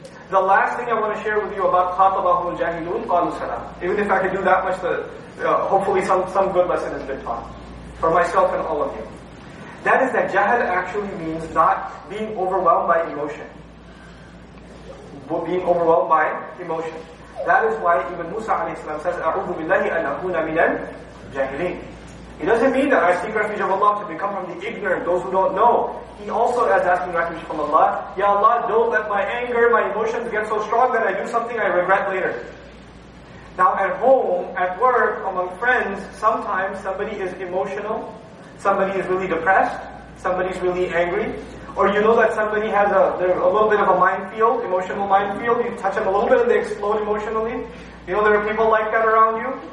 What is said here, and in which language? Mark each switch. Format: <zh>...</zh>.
<en>The last thing I want to share with you about khatabahu al-jahilun, qalu salam. Even if I could do that much, hopefully some good lesson has been taught. For myself and all of you. That is that jahil actually means not being overwhelmed by emotion. Being overwhelmed by emotion. That is why even Musa a.s.</en> <ar>says, أَعُوذُ بِاللَّهِ أَنْ أَكُونَ مِنَ الْجَاهِلِينَ.</ar> <en>It doesn't mean that I seek refuge of Allah to become from the ignorant, those who don't know. He also is asking refuge from Allah. Ya Allah, don't let my anger, my emotions get so strong that I do something I regret later. Now at home, at work, among friends, sometimes somebody is emotional, somebody is really depressed, somebody's really angry, or you know that somebody has a little bit of a minefield, emotional minefield, you touch them a little bit and they explode emotionally. You know there are people like that around you?</en>